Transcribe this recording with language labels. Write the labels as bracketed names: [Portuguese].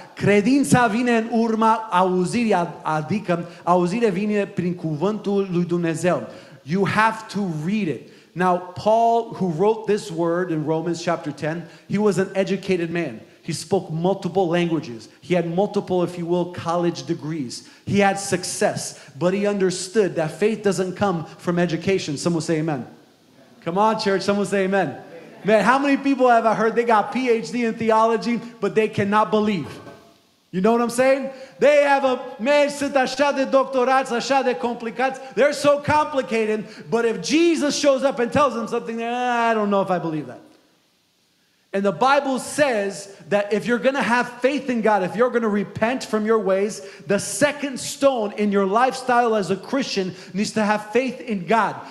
[Romanian] Credința vine în urma auzirii, adică auzirea vine prin cuvântul lui Dumnezeu. [English] You have to read it. Now, Paul, who wrote this word in Romans chapter 10, he was an educated man. He spoke multiple languages. He had multiple, if you will, college degrees. He had success, but he understood that faith doesn't come from education. Someone say amen. Come on, church, someone say amen. Man, how many people have I heard they got PhD in theology, but they cannot believe? You know what I'm saying? They have a, man, [Romanian] sunt așa de doctorați, așa de complicați. [English] They're so complicated, but if Jesus shows up and tells them something, I don't know if I believe that. And the Bible says that if you're going to have faith in God, if you're going to repent from your ways, the second stone in your lifestyle as a Christian needs to have faith in God.